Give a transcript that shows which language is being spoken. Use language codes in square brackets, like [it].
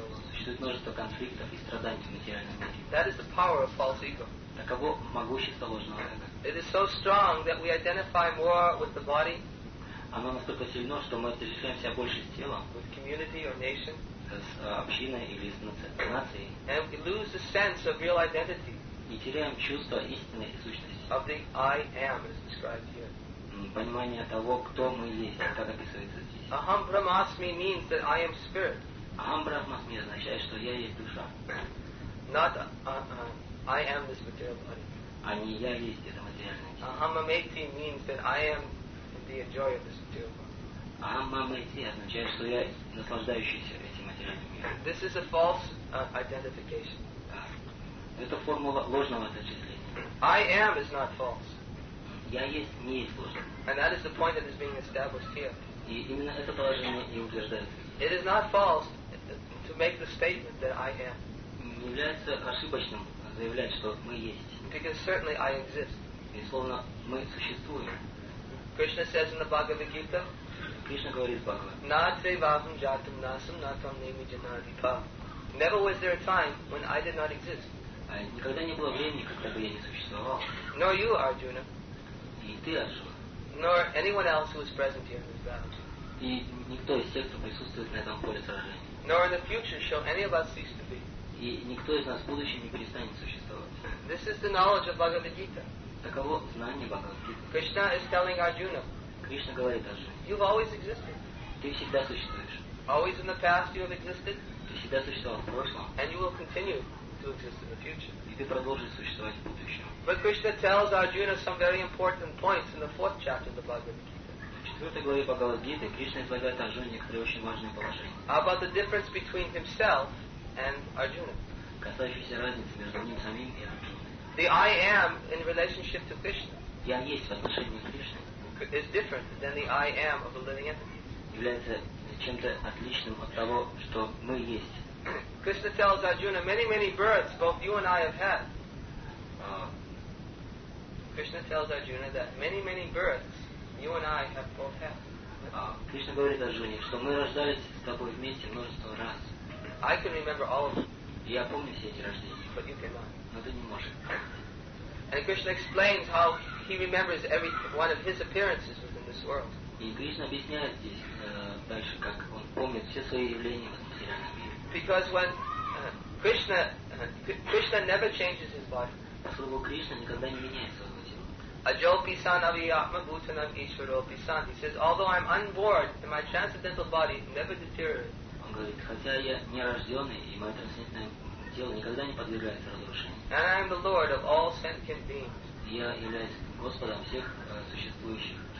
[ru] Существует множество конфликтов и страданий в материальном мире. [en] That is the power of false ego. [ru] Таково могущество ложного эго. [en] It is so strong that we identify more with the body. [ru] Оно настолько сильно, что мы отождествляем себя больше с телом. [en] With community or nation. [ru] С общиной или с нацией. [en] And we lose the sense of real identity. [ru] И теряем чувство истинной сущности. [en] Of the I am, as described here. [ru] Понимание того, кто мы есть, как описывается здесь. [en] Aham Brahmasmi means that I am spirit. [ru] Aham Brahmasmi означает, что я есть душа. [en] Not I am this material body. [ru] А не я есть это материальное тело. [en] Aham Amethi means that I am the enjoyer of this material body. [ru] Aham Amethi означает, что я наслаждающийся этим материальным миром. [en] This is a false identification. [ru] Это формула ложного отождествления. [en] I am is not false. [ru] Я есть не есть ложь. [en] And that is the point that is being established here. [ru] И именно это положение и утверждается. [en] It is not false to make the statement that I am. [ru] Не является ошибочным заявлять, что мы есть. [en] Because certainly I exist. [ru] Безусловно, мы существуем. [en] Krishna says in the Bhagavad Gita. [ru] Krishna говорит в Бхагавад. [sa] На тревавам жатам насам на том неми джанадипа. [en] Never was there a time when I did not exist. [ru] Никогда не было времени, когда бы я не существовал. [en] Nor you, Arjuna. [ru] И ты, Арджуна. [en] Nor anyone else who is present here in this battle. [ru] И никто из тех, кто присутствует на этом поле сражения. [en] Nor in the future shall any of us cease to be. [ru] И никто из нас в будущем не перестанет существовать. [en] This is the knowledge of Bhagavad Gita. [ru] Таково знание Бхагавад Гиты. [en] Krishna is telling Arjuna. [ru] Кришна говорит Арджуне. [en] You've always existed. [ru] Ты всегда существуешь. [en] Always in the past you have existed. [ru] Ты всегда существовал в прошлом. [en] And you will continue to exist in the future. [ru] И ты продолжишь существовать в будущем. [en] But Krishna tells Arjuna some very important points in the fourth chapter of the Bhagavad Gita. [ru] В четвертой главе Бхагавад Гиты Кришна излагает Арджуне некоторые очень важные положения. [en] About the difference between himself and Arjuna. [ru] Касающиеся разницы между ним самим и Арджуной. [en] The I am in relationship to Krishna. [ru] Я есть в отношении Кришны. [en] Is different than the I am of a living entity. [ru] Является чем-то отличным от того, что мы есть. [en] Krishna tells Arjuna, many, many births both you and I have had. Krishna tells Arjuna that many, many births you and I have both had. [ru] Krishna говорит Арджуне, что мы рождались с тобой вместе множество раз. [en] I can remember all of them. [ru] Я помню все эти рождения. [en] But you cannot. [ru] Но ты не можешь. [en] And Krishna explains how he remembers every one of his appearances within this world. [ru] И Кришна объясняет здесь дальше, как он помнит все свои явления в этом материальном мире. [en] Because when Krishna never changes his body. [ru] Поскольку Кришна никогда не меняет своего тела. [sa] Ajopi san aviyatma bhutanam ishwaropi san. [en] He says, although I'm unborn, and my transcendental body never deteriorates. [ru] Он говорит, хотя я не рожденный, и мое трансцендентное тело никогда не подвергается разрушению. [en] And I am the Lord of all sentient beings. [ru] Я являюсь Господом всех существующих.